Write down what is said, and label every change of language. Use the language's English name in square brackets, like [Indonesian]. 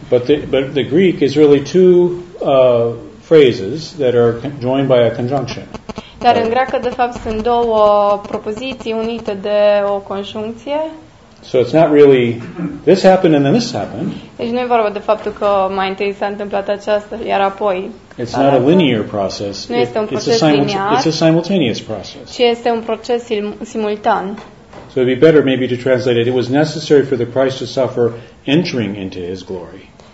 [English] But the Greek is really two phrases that are joined by a conjunction. [Romanian] Dar în greacă de fapt sunt două propoziții unite de o conjuncție. [English] So it's not really this happened and then this happened. [Romanian] Deci nu e vorba de faptul că mai întâi s-a întâmplat aceasta iar apoi. [English] It's not a linear process. [Romanian] Nu este un proces linear. [English] It's a simultaneous process. [Romanian] Și este un proces simultan. [English] So it'd be better maybe to translate it. It was necessary for the Christ to suffer entering into his glory.